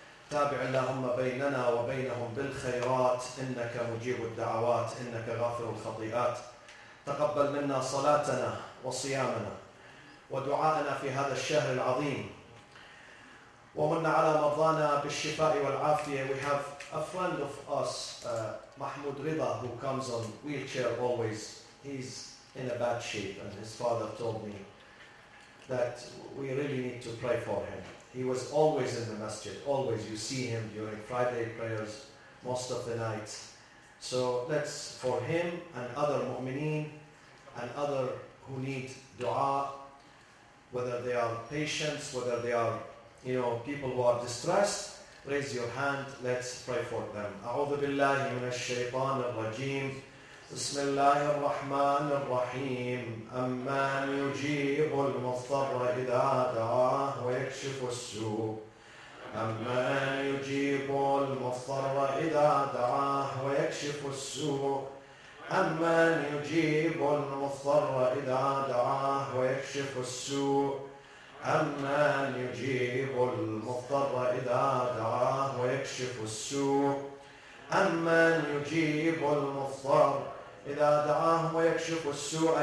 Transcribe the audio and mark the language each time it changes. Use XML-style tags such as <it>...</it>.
<ar>تابع اللهم بيننا وبينهم بالخيرات إنك مجيب الدعوات إنك غافر الخطيئات تقبل منا صلاتنا وصيامنا ودعاءنا في هذا الشهر العظيم ومن على مرضانا بالشفاء والعافية.</ar> <en>We have a friend of us, Mahmoud Rida, who comes on wheelchair always. He's in a bad shape and his father told me that we really need to pray for him. He was always in the masjid, always. You see him during Friday prayers, most of the night. So let's, for him and other mu'mineen and other who need dua, whether they are patients, whether they are, you know, people who are distressed, raise your hand, let's pray for them.</en> <ar>A'udhu billahi minash shaytan ar-rajim. بسم الله الرحمن الرحيم أمن يجيب المضطر إذا دعاه ويكشف السوء أمن يجيب المضطر إذا دعاه ويكشف السوء أمن يجيب المضطر إذا دعاه ويكشف السوء أمن يجيب المضطر إذا دعاه ويكشف السوء أمن يجيب المضطر إذا دعاهم ويكشف السوء.</ar>